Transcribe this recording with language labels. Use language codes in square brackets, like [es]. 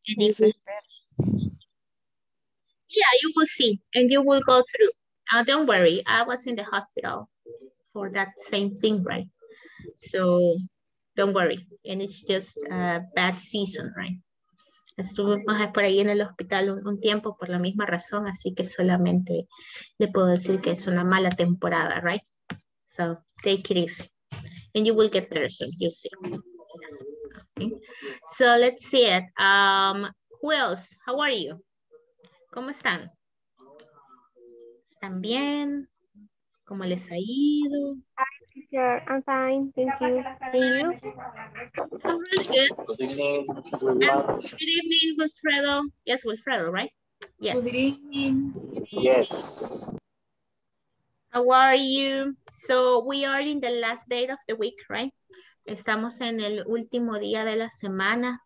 [es] Sí. [en] Yeah, you will see, and you will go through. Don't worry, I was in the hospital for that same thing, right? So don't worry, and it's just a bad season, right? [es] Estuvimos por ahí en el hospital un tiempo por la misma razón, así que solamente le puedo decir que es una mala temporada, right? [en] So, take it easy. And you will get better soon, you'll see. Yes. Okay. So, let's see it. Who else? How are you? [es] ¿Cómo están? ¿Están bien? ¿Cómo les ha ido? [en] I'm fine, thank you. And you? I'm really good. Good evening, Wilfredo. Yes, Wilfredo, right? Yes. Good evening. Yes. How are you? So we are in the last day of the week, right? [es] Estamos en el último día de la semana.